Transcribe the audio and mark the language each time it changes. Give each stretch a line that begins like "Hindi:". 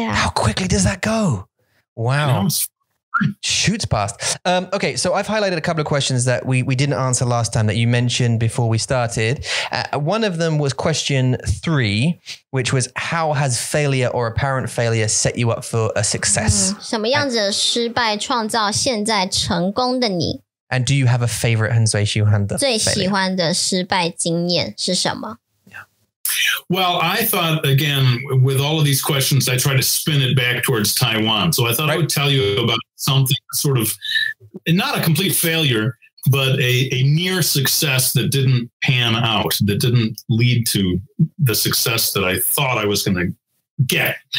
English: How quickly does that go? Wow. Shoots past. Okay, so I've highlighted a couple of questions that we didn't answer last time that you mentioned before we started. One of them was question three, which was how has failure or apparent failure set you up for a success?
Chinese: 什么样子的失败创造现在成功的你?
English: And do you have a favorite
Chinese: 很最喜欢的最喜欢的失败经验是什么?
English: Well, I thought, again, with all of these questions, I try to spin it back towards Taiwan. So I thought I would tell you about something sort of, not a complete failure, but a near success that didn't pan out, that didn't lead to the success that I thought I was going to get.